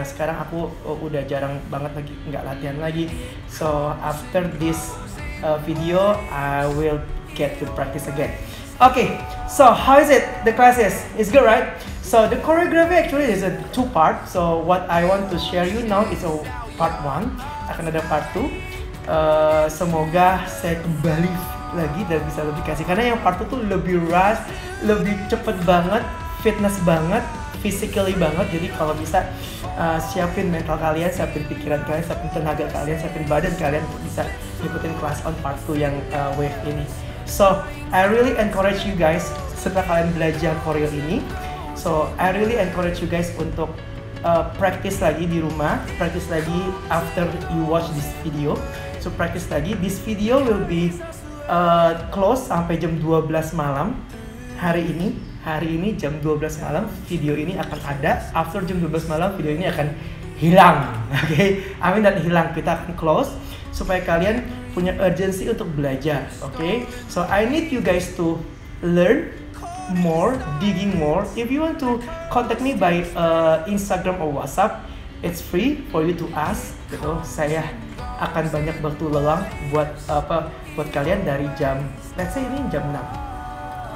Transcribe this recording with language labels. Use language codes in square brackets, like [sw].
[id] Nah sekarang aku udah jarang banget lagi nggak latihan lagi. [en] So after this video, I will get to practice again. Okay, so how is it? The classes is good, right? So the choreography actually is a two part. So what I want to share you now is a part one. [id] Akan ada part 2. Semoga saya kembali lagi dan bisa lebih kasih. Karena yang part 2 tuh lebih rush, lebih cepet banget, fitness banget, physically banget. Jadi kalau bisa siapin mental kalian, siapin pikiran kalian, siapin tenaga kalian, siapin badan kalian untuk bisa ikutin kelas on part 2 yang wave ini. [en] So, I really encourage you guys [id] setelah kalian belajar choreo ini. [en] So, I really encourage you guys [id] untuk practice lagi di rumah, practice lagi [en] after you watch this video. [id] So practice lagi, [en] this video will be close [id] sampai jam 12 malam hari ini jam 12 malam video ini akan ada. After jam 12 malam video ini akan hilang, okay? Amin dan hilang, kita akan close supaya kalian punya urgency untuk belajar, okay? [en] So I need you guys to learn more, digging more. If you want to contact me by Instagram or WhatsApp, it's free for you to ask. [id] Gitu. Saya akan banyak waktu luang buat apa buat kalian dari jam, [en] let's say [id] ini jam 6.